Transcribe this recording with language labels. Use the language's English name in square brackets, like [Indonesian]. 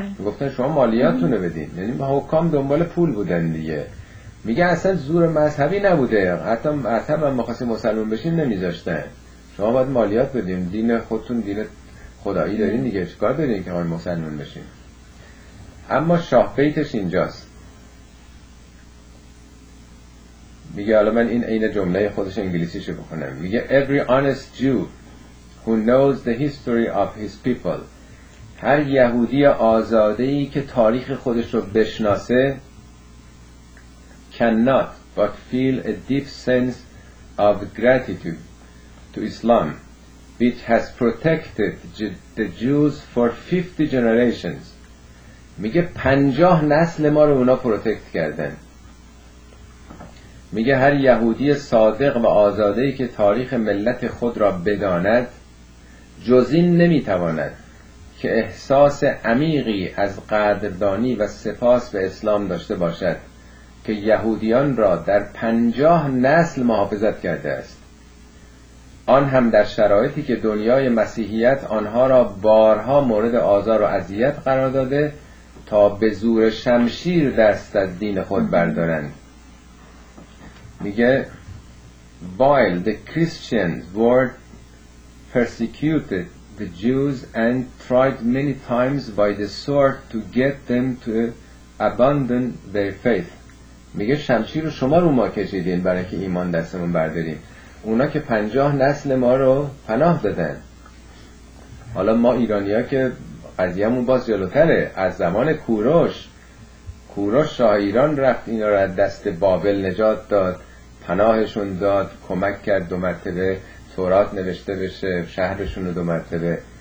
[Persian] گفتن شما مالیاتونو بدین. یعنی حکام دنبال پول بودن دیگه. میگه اصلا زور مذهبی نبوده، حتی مذهب هم مخواستی مسلمان بشین نمیذاشتن. شما باید مالیات بدین، دین خودتون دین خدایی دارین دیگه، چیکار دارین که آن مسلمان بشین؟ اما شاه بیتش اینجاست. میگه، حالا من این اینه جمله خودش انگلیسیشو بخونم، میگه [English] Every honest Jew who knows the history of his people، [Persian] هر یهودی آزادهی که تاریخ خودش رو بشناسه، [English] cannot but feel a deep sense of gratitude to Islam which has protected the Jews for 50 generations. [Persian] میگه 50 نسل ما رو اونا پروتکت کردن. میگه هر یهودی صادق و آزادهی که تاریخ ملت خود را بداند، جز این نمیتواند که احساس عمیقی از قدردانی و سپاس به اسلام داشته باشد که یهودیان را در 50 نسل محافظت کرده است، آن هم در شرایطی که دنیای مسیحیت آنها را بارها مورد آزار و اذیت قرار داده تا به زور شمشیر دست از دین خود بردارند. میگه [English] While the Christians were persecuted the Jews and tried many times by the sword to get them to abandon their faith. [Persian] میگه شمشیر رو شما رو ما کشیدین برای که ایمان دستمون برداریم، اونا که 50 نسل ما رو پناه دادن. حالا ما ایرانی ها که قضیه‌مون باز جلوتره، از زمان کوروش، کوروش شاه ایران رفت اینا رو از دست بابل نجات داد، پناهشون داد، کمک کرد دو مرتبه تورات نوشته بشه، شهرشون رو دو مرتبه.